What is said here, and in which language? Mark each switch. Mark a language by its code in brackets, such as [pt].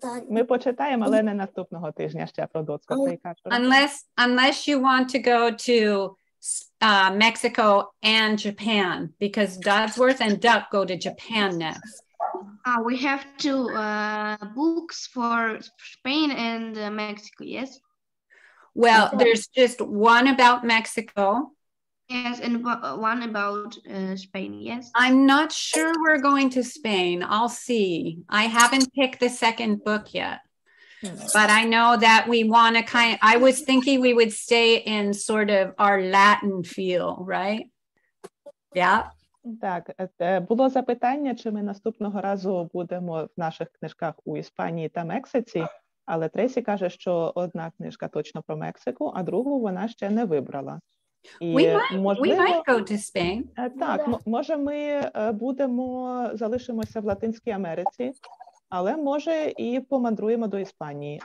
[uk] Ми почитаємо, але не наступного тижня ще про Дотського і Кашу. [en] Unless you want to go to Mexico and Japan, because Dodsworth and Duck go to Japan next. We have two books for Spain and Mexico, yes? Well, there's just one about Mexico. Yes, and one about Spain, yes. I'm not sure we're going to Spain. I'll see. I haven't picked the second book yet. But I know that we want to kind of, I was thinking we would stay in sort of our Latin feel, right? Yeah. [uk] Так, було запитання, чи ми наступного разу будемо в наших книжках у Іспанії та Мексиці. Але Тресі каже, що одна книжка точно про Мексику, а другу вона ще не вибрала. [en] We might go to Spain. [uk] Так, може ми будемо, залишимося в Латинській Америці, але може і помандруємо до Іспанії.